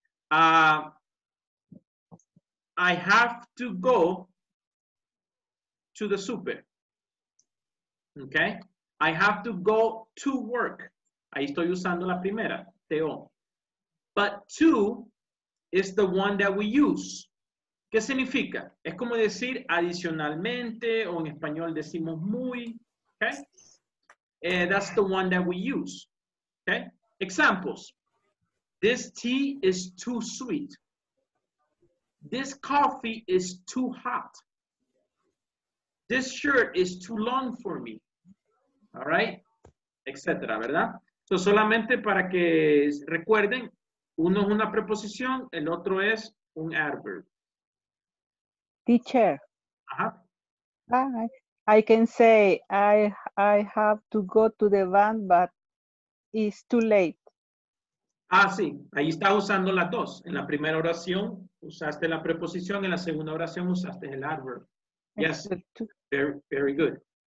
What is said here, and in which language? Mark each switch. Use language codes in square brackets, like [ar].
[en] I have to go to the super. Okay. I have to go to work. [es] Ahí estoy usando la primera, T-O. [en] But to is the one that we use. [es] ¿Qué significa? Es como decir adicionalmente, o en español decimos muy. [en] Okay. That's the one that we use. Okay. Examples. This tea is too sweet. This coffee is too hot. This shirt is too long for me. All right? [es] Etcétera, ¿verdad? So solamente para que recuerden, uno es una preposición, el otro es un adverb. [en] Teacher. Uh-huh. I can say I have to go to the van, but it's too late. [es] Ah, sí. Ahí está usando las dos. En la primera oración usaste la preposición. En la segunda oración usaste el adverb. [en] Yes. Very, very good.